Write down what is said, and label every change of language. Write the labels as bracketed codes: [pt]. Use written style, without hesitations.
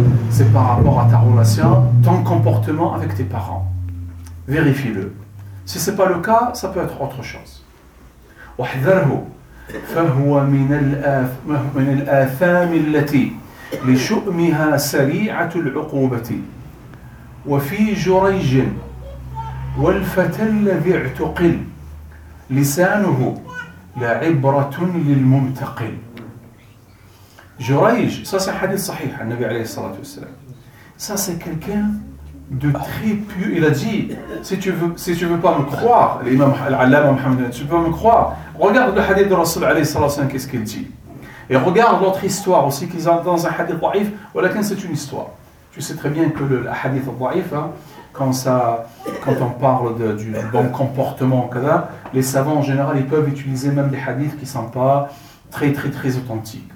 [fr] C'est par rapport à ta relation, ton comportement avec tes parents. Vérifie-le. Si ce n'est pas le cas, ça peut être autre chose. [ar] Wahdharhu. فهو من الآثام التي لشؤمها سريعة العقوبة وفي جريج والفتى الذي اعتقل لسانه لعبرة للممتقل جريج [fr] ça c'est un hadith [ar] صحيح عن النبي عليه الصلاة والسلام [fr] ça c'est quelqu'un de très pieux. Il a dit si tu veux pas me croire l'imam al-allama Muhammad, tu peux me croire, regarde le hadith de Rasul alayhi salallahu alayhi wa sallam, qu'est-ce qu'il dit. Et regarde l'autre histoire aussi qu'ils ont dans un hadith da'if, mais c'est une histoire. Tu sais très bien que le hadith da'if, hein, quand on parle du bon comportement, les savants en général, ils peuvent utiliser même des hadiths qui ne sont pas très très très authentiques.